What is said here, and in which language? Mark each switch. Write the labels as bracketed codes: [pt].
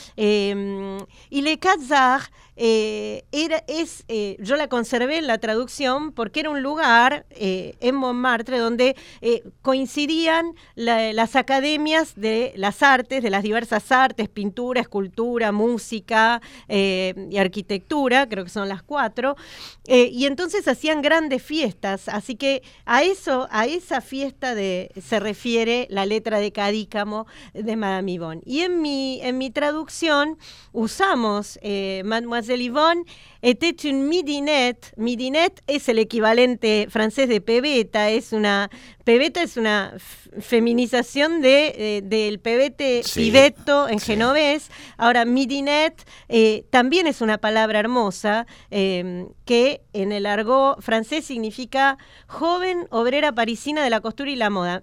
[es] Y Le Cazar yo la conservé en la traducción porque era un lugar en Montmartre donde coincidían las academias de las artes, de las diversas artes, pintura, escultura, música y arquitectura, creo que son las cuatro, y entonces hacían grandes fiestas, así que a esa fiesta se refiere la letra de Cadícamo de Madame Yvonne. Y en mi traducción usamos [fr] Mademoiselle Yvonne était une midinette. [es] Midinette es el equivalente francés de pebeta. Pebeta es una feminización del pebete, sí. Pibeto en sí. Genovés. Ahora, midinette también es una palabra hermosa que en el argot francés significa joven obrera parisina de la costura y la moda.